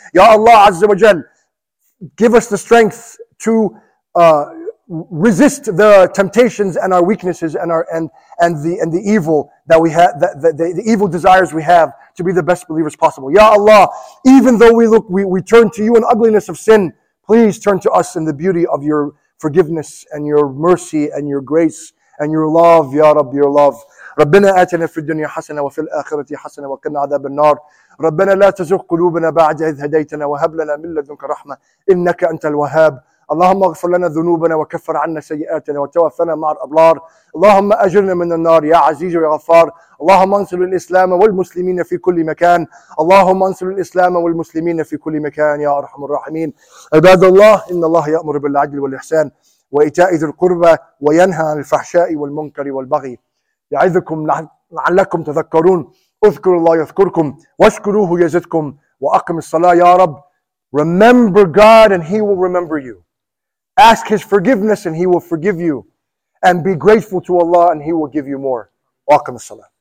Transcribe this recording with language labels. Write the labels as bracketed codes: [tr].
[en] Ya Allah, Azza wa Jal, give us the strength to resist the temptations and our weaknesses and the evil that we have, the evil desires we have to be the best believers possible. Ya Allah, even though we turn to you in ugliness of sin, please turn to us in the beauty of your forgiveness and your mercy and your grace and your love, Ya Rabbi, your love. [ar] ربنا آتنا في الدنيا حسنة وفي الآخرة حسنة وقنا عذاب النار ربنا لا تزغ قلوبنا بعد إذ هديتنا وهب لنا من لدنك رحمة إنك أنت الوهاب اللهم اغفر لنا ذنوبنا وكفر عنا سيئاتنا وتوفنا مع الأبرار اللهم أجرنا من النار يا عزيز يا غفار اللهم انصر الإسلام والمسلمين في كل مكان اللهم انصر الإسلام والمسلمين في كل مكان يا أرحم الراحمين عباد الله إن الله يأمر بالعدل والإحسان وإيتاء ذي القربى وينهى عن الفحشاء والمنكر والبغي يعظكم لعلكم تذكرون اذكروا الله يذكركم واشكروه يزدكم وأقم الصلاة يا رب. [en] Remember God and He will remember you. Ask His forgiveness and He will forgive you. And be grateful to Allah and He will give you more. [ar] وأقم الصلاة.